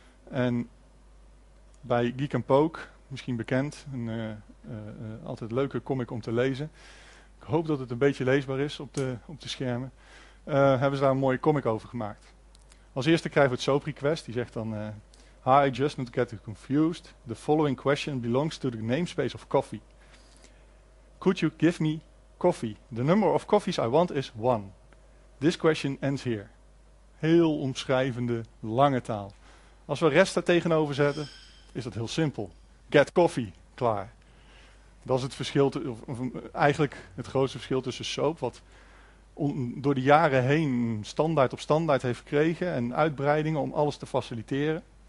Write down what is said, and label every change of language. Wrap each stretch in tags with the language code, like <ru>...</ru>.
<nl>En bij Geek & Poke, misschien bekend, altijd een leuke comic om te lezen. Ik hoop dat het een beetje leesbaar is op de schermen. Hebben ze daar een mooie comic over gemaakt. Als eerste krijgen we het SOAP request. Die zegt dan,</nl> <en>hi, just not getting confused. The following question belongs to the namespace of coffee. Could you give me coffee? The number of coffees I want is one. This question ends here.</en> <nl>Heel omschrijvende, lange taal. Als we REST daar tegenover zetten, is dat heel simpel.</nl> <en>Get coffee,</en> <nl>klaar. Dat is het verschil, eigenlijk het grootste verschil tussen SOAP, wat door de jaren heen standaard op standaard heeft gekregen en uitbreidingen om alles te faciliteren.</nl>